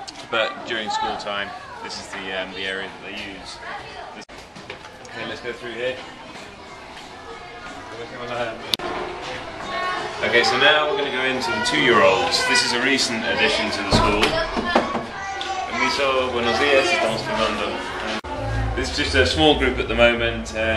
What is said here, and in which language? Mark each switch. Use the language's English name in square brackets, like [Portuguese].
[English] But during school time, this is the area that they use. Okay, let's go through here. Okay, so now we're going to go into the two-year-olds. This is a recent addition to the school. [Spanish] Permiso, buenos días, estamos en London. [English] This is just a small group at the moment.